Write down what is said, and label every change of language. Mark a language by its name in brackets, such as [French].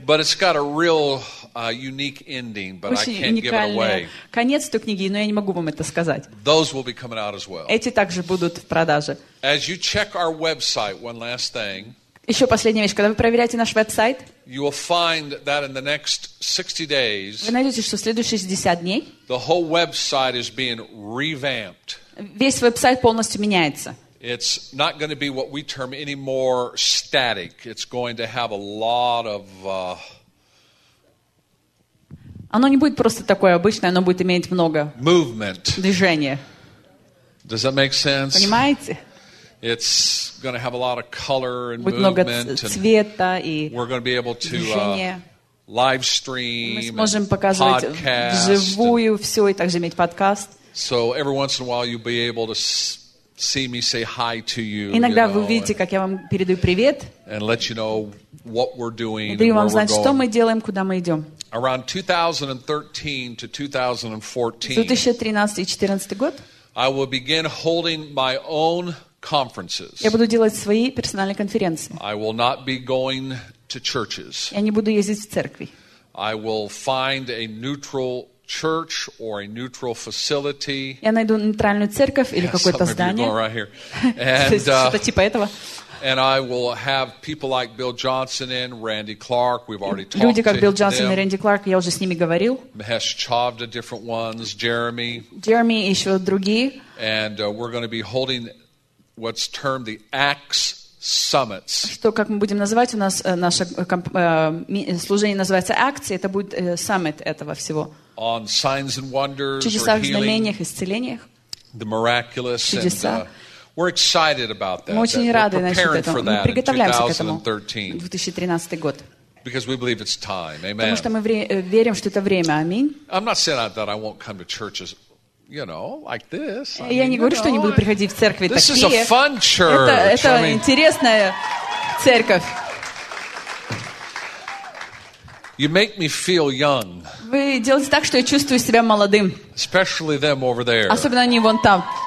[English] But it's got a real unique ending, but [Russian] очень [English] I can't give it away. [Russian] Конец той книги, но я не могу вам это сказать. [English] Those will be coming out as well. [Russian] Эти также будут в продаже. [English] As you check our website, one last thing. [Russian] Еще последняя вещь, когда вы проверяете наш веб-сайт. [English] You will find that in the next 60 days. [Russian] Вы найдете, что в следующие 60 дней. [English] The whole website is being revamped. [Russian] Весь веб-сайт полностью меняется. [English] It's not going to be what we term anymore static. It's going to have a lot of. [Russian] Оно не будет просто такое обычное, оно будет иметь много [English] movement. [Russian] Движения. [English] Does that make sense? [Russian] Понимаете? [English] It's going to have a lot of color and [Russian] будет [English] movement. [Russian] Будет много цвета и. [English] We're going to be able to [Russian] движение. [English] Live stream. [Russian] Мы сможем показывать вживую все и также иметь подкаст. [English] So every once in a while you'll be able to. See me say hi to you. [Russian] Иногда [English] you know, [Russian] вы увидите, как я вам передаю привет. [English] And let you know what we're doing. [Russian] Даю вам знать, что мы делаем, куда мы идем. [English] Around 2013 to 2014. [Russian] 2013-2014 год. [English] I will begin holding my own conferences. [Russian] Я буду делать свои персональные конференции. [English] I will not be going to churches. [Russian] Я не буду ездить в церкви. [English] I will find a neutral church or a neutral facility. [Russian] Я найду нейтральную церковь или какое-то здание. [English] Right here. [Russian] And, что-то типа этого. [English] And I will have people like Bill Johnson in, Randy Clark. We've already talked to [Russian] Люди как [English] to [Russian] Билл Джонсон и Рэнди Кларк, я уже с ними говорил. [English] Mahesh Chavda, different ones, Jeremy. [Russian] Jeremy и еще другие. [English] And we're going to be holding what's termed the Acts Summits. [Russian] Что как мы будем называть у нас наше служение называется акции, это будет саммит этого всего. [English] On signs and wonders, [Russian] чудеса [English] or healing, [Russian] исцелениях, [English] the miraculous, [Russian] чудеса. [English] And we're excited about that. [Russian] Мы очень рады насчет этого. Мы приготовляемся к этому. 2013 год. [English] Because we believe it's time. Amen. [Russian] Потому что мы верим, что это время. Аминь. [English] I'm not saying that I won't come to churches, you know, like this. [Russian] Я не говорю, что не буду приходить в церкви такие. [English] This is a fun church. [Russian] Это интересная церковь. [English] You make me feel young. [Russian] Вы делаете так, что я чувствую себя молодым. [English] Especially them over there. [Russian] Особенно они вон там.